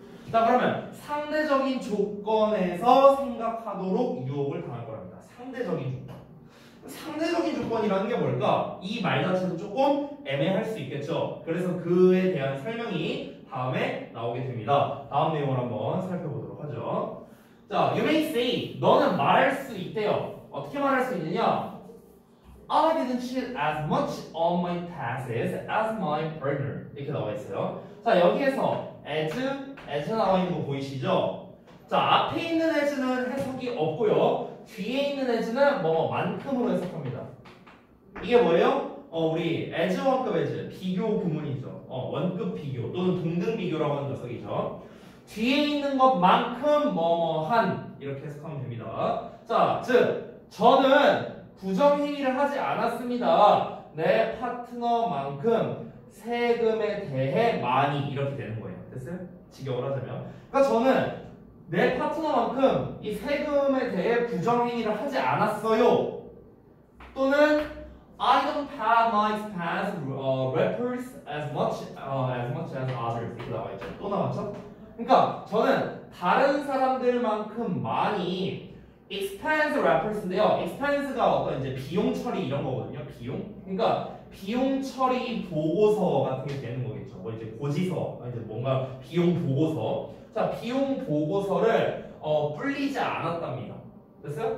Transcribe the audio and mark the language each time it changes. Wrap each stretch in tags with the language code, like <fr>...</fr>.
<ko>자 그러면 상대적인 조건에서 생각하도록 유혹을 당할 거랍니다. 상대적인 조건. 상대적인 조건이라는 게 뭘까? 이 말 자체도 조금 애매할 수 있겠죠. 그래서 그에 대한 설명이 다음에 나오게 됩니다. 다음 내용을 한번 살펴보도록 하죠. 자,</ko> <en>you may say,</en> <ko>너는 말할 수 있대요. 어떻게 말할 수 있느냐?</ko> <en>I didn't cheat as much on my taxes as my partner.</en> <ko>이렇게 나와 있어요. 자, 여기에서 as 나와 있는 거 보이시죠? 자, 앞에 있는 as는 해석이 없고요. 뒤에 있는 as는 뭐 만큼으로 해석합니다. 이게 뭐예요? 우리 as 원급 as 비교 구문이죠. 원급 비교 또는 동등 비교라고 하는 녀석이죠. 뒤에 있는 것만큼 뭐뭐한 이렇게 해석하면 됩니다. 자, 즉 저는 부정행위를 하지 않았습니다. 내 파트너만큼 세금에 대해 많이 이렇게 되는 거예요. 됐어요? 직역을 하자면 그러니까 저는 내 파트너만큼 이 세금에 대해 부정행위를 하지 않았어요. 또는</ko> <en>I don't have my expense records as much as others.</en> <ko>이렇게 나와 있죠. 또 나왔죠? 그러니까 저는 다른 사람들만큼 많이 expense records인데요. expense가 어떤 이제 비용 처리 이런 거거든요. 비용. 그러니까 비용 처리 보고서 같은 게 되는 거겠죠. 뭐 이제 고지서, 이제 뭔가 비용 보고서. 자, 비용 보고서를 불리지 않았답니다. 됐어요?</ko>